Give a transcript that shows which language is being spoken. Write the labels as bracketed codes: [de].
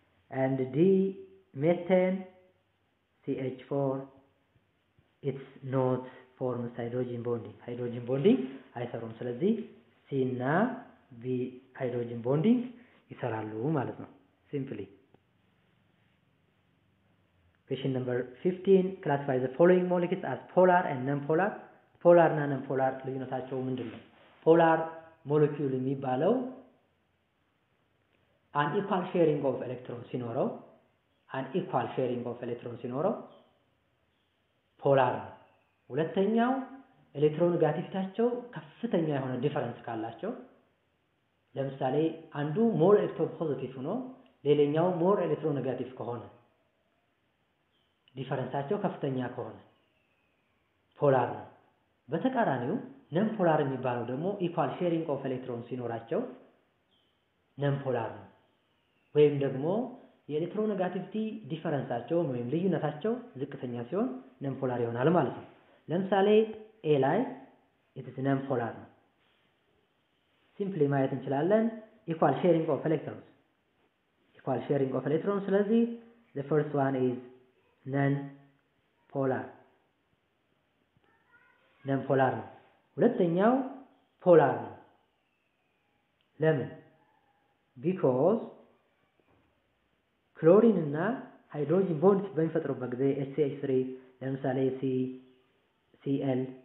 [en] And D, methane, CH4, it's not forms hydrogen bonding. [am] Hydrogen bonding አይሰራም። ስለዚህ C እና B hydrogen bonding ይሰራሉ ማለት ነው። Simply. [en] Question number 15, classify the following molecules as polar and nonpolar. [am] Polar እና nonpolar ልዩነታቸው ምንድነው? Polar molecule የሚባለው [en] an equal sharing of electrons [am] ሲኖረው polar ነው። ሁለተኛው ኤሌክትሮኔጋቲቪቲያቸው ከፍተኛ የሆነ ዲፈረንስ ካላቸው፣ ለምሳሌ አንዱ ሞር ኤሌክትሮ ፖዚቲቭ ሆኖ ሌላኛው ሞር ኤሌክትሮኔጋቲቭ ከሆነ ዲፈረንሳቸው ከፍተኛ ከሆነ ፖላር ነው። በተቃራኒው ነን ፖላር የሚባለው ደግሞ ኢኳል ሼሪንግ ኦፍ ኤሌክትሮን ሲኖራቸው ነን ፖላር ነው። ወይም ደግሞ የኤሌክትሮኔጋቲቪቲ ዲፈረንሳቸው ወይም ልዩነታቸው ዝቅተኛ ሲሆን ነን ፖላር ይሆናል ማለት ነው። ለምሳሌ A ላይ [en] it's non polar [am] ነው። simply ማለት እንችላለን [en] equal sharing of electrons, [am] equal sharing of electrons. ስለዚህ [en] the first one is non polar, [am] non polar ነው። ሁለተኛው polar ነው። ለምን? [en] because [am] chlorine እና hydrogen bond በሚፈጥሩበት ጊዜ CH3 ለምሳሌ CL